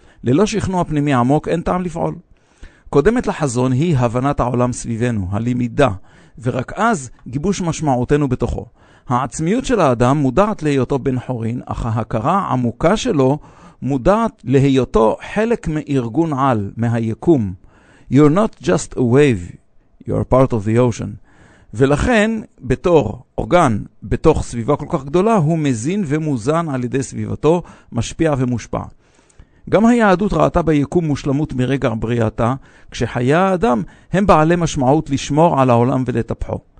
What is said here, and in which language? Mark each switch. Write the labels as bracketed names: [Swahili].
[Hebrew] ללא שכנוע פנימי עמוק אין טעם לפעול. קודמת לחזון היא הבנת העולם סביבנו, הלמידה, ורק אז גיבוש משמעותנו בתוכו. העצמיות של האדם מודעת להיותו בן חורין, אך ההכרה העמוקה שלו מודעת להיותו חלק מארגון על, מהיקום. [English] You're not just a wave, you're part of the ocean. [Hebrew] ולכן, בתור אורגן, בתוך סביבה כל כך גדולה, הוא מזין ומוזן על ידי סביבתו, משפיע ומושפע. גם היהדות ראתה ביקום מושלמות מרגע בריאתה, כשחיי האדם הם בעלי משמעות לשמור על העולם ולטפחו.